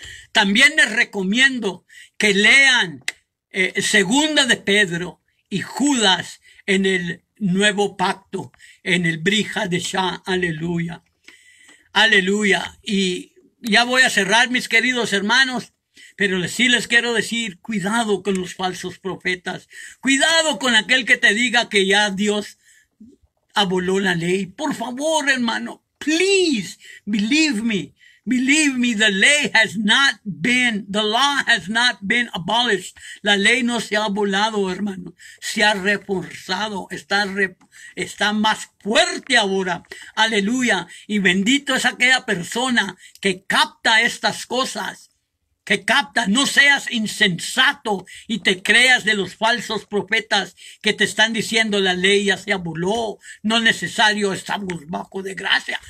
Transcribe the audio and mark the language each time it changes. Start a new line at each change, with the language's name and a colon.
Spanish: También les recomiendo que lean Segunda de Pedro y Judas en el Nuevo Pacto, en el Brija de Shah, aleluya. Aleluya. Y ya voy a cerrar, mis queridos hermanos, pero sí les quiero decir, cuidado con los falsos profetas. Cuidado con aquel que te diga que ya Dios aboló la ley. Por favor, hermano,
English: please, believe me, the ley has not been, the law has not been abolished.
Spanish: La ley no se ha abolado, hermano, se ha reforzado, está más fuerte ahora. Aleluya. Y bendito es aquella persona que capta estas cosas. Que capta, no seas insensato y te creas de los falsos profetas que te están diciendo la ley ya se aboló, no es necesario, estamos bajo de gracia.